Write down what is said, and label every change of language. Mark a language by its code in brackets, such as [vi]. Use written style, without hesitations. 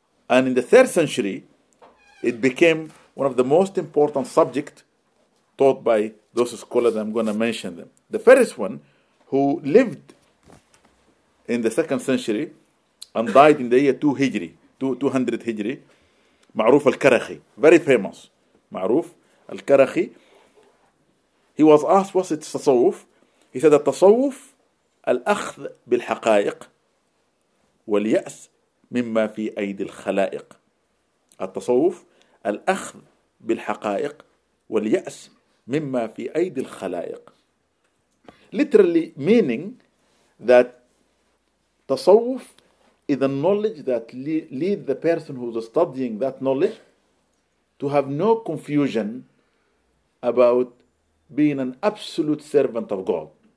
[en] And in the 3rd century, it became one of the most important subjects taught by those scholars. I'm going to mention them. The first one who lived in the 2nd century and died in the year 200 Hijri, Ma'ruf al-Karakhi, very famous, Ma'ruf al-Karakhi. He was asked, what's it tasawwuf? He said, tasawwuf, [ar] الأخذ بالحقائق واليأس مما في أيدي الخلائق. التصوف الأخذ بالحقائق واليأس مما في أيدي الخلائق. [en] Literally meaning that تصوف is a knowledge that leads the person who's studying that knowledge to have no confusion about being an absolute servant of God.